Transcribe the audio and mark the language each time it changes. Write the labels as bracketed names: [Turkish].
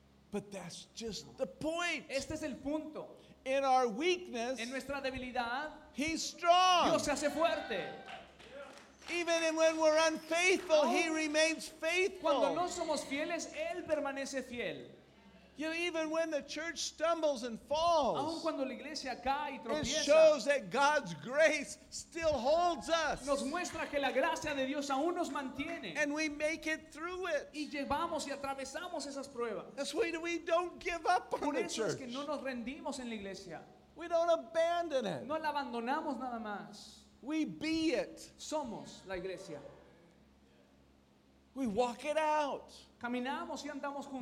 [English] But that's just the point. [Spanish] Este es el punto. [English] In our weakness, [Spanish] en nuestra debilidad, [English] he's strong. [Spanish] Dios se hace fuerte. [English] Even when we're unfaithful, he remains faithful. [Spanish] Cuando no somos fieles, él permanece fiel. [English] You know, even when the church stumbles and falls, [Spanish] aun cuando la iglesia cae y tropieza, [English] it shows that God's grace still holds us. [Spanish] Nos muestra que la gracia de Dios aún nos mantiene. [English] And we make it through it. [Spanish] Y llevamos y atravesamos esas pruebas. [English] That's why we don't give up on the church. [Spanish] Por eso es que no nos rendimos en la iglesia. [English] We don't abandon it. [Spanish] No la abandonamos nada más. [English] We be it. [Spanish] Somos la iglesia. [English] We walk it out. [Spanish] Caminamos y andamos juntos.